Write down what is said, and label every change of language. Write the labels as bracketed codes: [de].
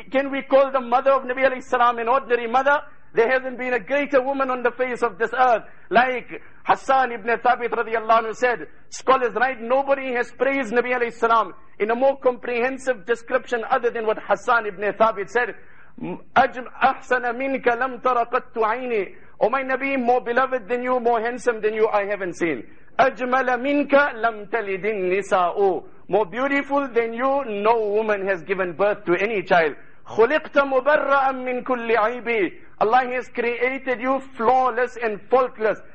[en] Can we call the mother of Nabi alayhi salam an ordinary mother? There hasn't been a greater woman on the face of this earth. Like Hassan ibn Thabit radiallahu anhu said, scholars write, nobody has praised Nabi alayhi salam in a more comprehensive description other than what Hassan ibn Thabit said. [ar] أجم أحسن منك لم ترقت عيني. [en] O my Nabi, more beloved than you, more handsome than you, I haven't seen. [ar] أجمل منك لم تلد النساء. [en] More beautiful than you, no woman has given birth to any child. [ar] خلقت مبرأ من كل عيب. [en] Allah has created you flawless and faultless.